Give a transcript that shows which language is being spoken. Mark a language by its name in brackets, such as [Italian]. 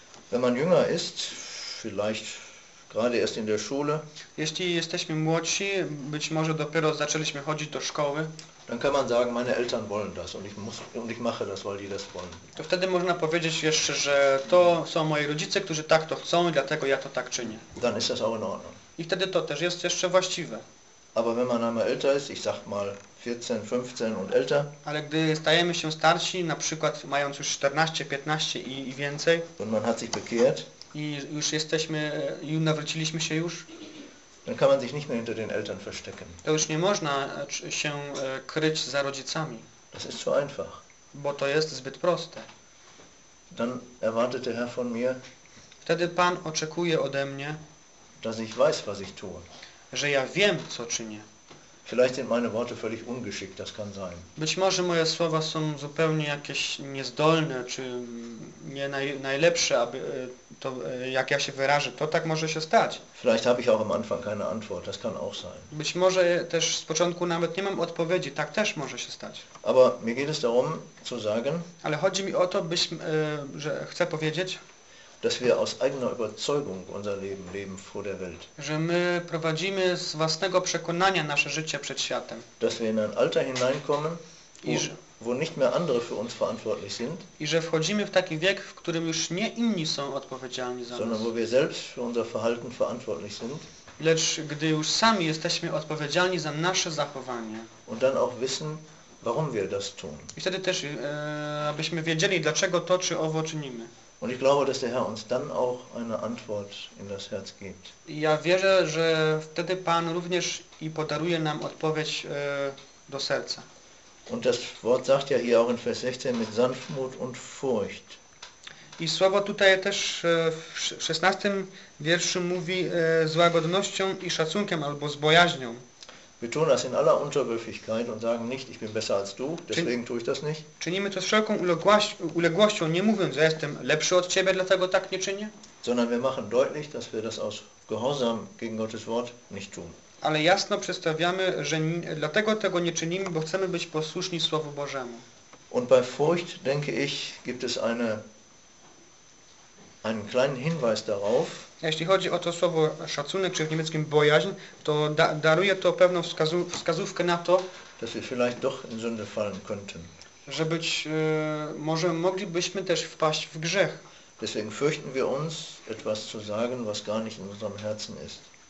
[German] Wenn man jünger ist, vielleicht gerade erst in der Schule, [Polish] jeśli jesteśmy młodsi, być może dopiero zaczęliśmy chodzić do szkoły, [German] dann kann man sagen, meine Eltern wollen das und ich muss und ich mache das, weil die das wollen. [Polish] To wtedy można powiedzieć jeszcze, że to są moi rodzice, którzy tak to chcą, dlatego ja to tak czynię. [German] Dann ist das auch in Ordnung. [Polish] I wtedy to też jest jeszcze właściwe. [German] Aber wenn man einmal älter ist, ich sag mal 14, 15 und älter. [Polish] Ale gdy stajemy się starsi, na przykład mając już 14, 15 i więcej. [German] Und man hat sich bekehrt. [Polish] I już jesteśmy, już nawróciliśmy się już. [German] Dann kann man sich nicht mehr hinter den Eltern verstecken. [Polish] To już nie można się kryć za rodzicami. [German] Das ist zu einfach. [Polish] Bo to jest zbyt proste. [German] Dann erwartet der Herr von mir, [Polish] wtedy Pan oczekuje ode mnie, [German] dass ich weiß, was ich tue. [Polish] Że ja wiem, co czynię. [German] Vielleicht sind meine Worte völlig ungeschickt, das kann sein. [Polish] Być może moje słowa są zupełnie jakieś niezdolne, czy nie najlepsze, aby to, jak ja się wyrażę, to tak może się stać. [German] Vielleicht habe ich auch am Anfang keine Antwort, das kann auch sein. [Polish] Być może też z początku nawet nie mam odpowiedzi, tak też może się stać. [German] Aber mir geht es darum, zu sagen, [Polish] ale chodzi mi o to, że chcę powiedzieć, [German] dass wir aus eigener Überzeugung unser Leben leben vor der Welt. [Polish] Że my prowadzimy z własnego przekonania nasze życie przed światem. [German] Dass wir in ein Alter hineinkommen, wo nicht mehr andere für uns verantwortlich sind. [Polish] I że wchodzimy w taki wiek, w którym już nie inni są odpowiedzialni za nas. [German] Sondern wo wir selbst für unser Verhalten verantwortlich sind. [Polish] Lecz gdy już sami jesteśmy odpowiedzialni za nasze zachowanie. [German] Und dann auch wissen, warum wir das tun. [Polish] I wtedy też, abyśmy wiedzieli, dlaczego to czy owo czynimy. [German] Und ich glaube, dass der Herr uns dann auch eine Antwort in das Herz gibt. [Polish] Ja wierzę, że wtedy Pan również i podaruje nam odpowiedź do serca. [German] Und das Wort sagt ja hier auch in Vers 16 mit Sanftmut und Furcht. [Polish] I słowo tutaj też w 16 wierszu mówi z łagodnością i szacunkiem albo z bojaźnią. [German] Wir tun das in aller Unterwürfigkeit und sagen nicht, ich bin besser als du, deswegen tue ich das nicht. [Polish] Czynimy to z wszelką uległością, nie mówiąc, że jestem lepszy od ciebie, dlatego tak nie czynię. [German] Sondern wir machen deutlich, dass wir das aus Gehorsam gegen Gottes Wort nicht tun. [Polish] Ale jasno przedstawiamy, że dlatego tego nie czynimy, bo chcemy być posłuszni Słowu Bożemu. [German] Und bei Furcht, denke ich, gibt es einen kleinen Hinweis darauf. [Polish] Jeśli chodzi o to słowo szacunek, czy w niemieckim bojaźń, to daruje to pewną wskazówkę na to, [German] dass wir vielleicht doch in Sünde fallen könnten. [Polish] Że być może moglibyśmy też wpaść w grzech. [German] Deswegen fürchten wir uns, etwas zu sagen, was gar nicht in unserem Herzen ist.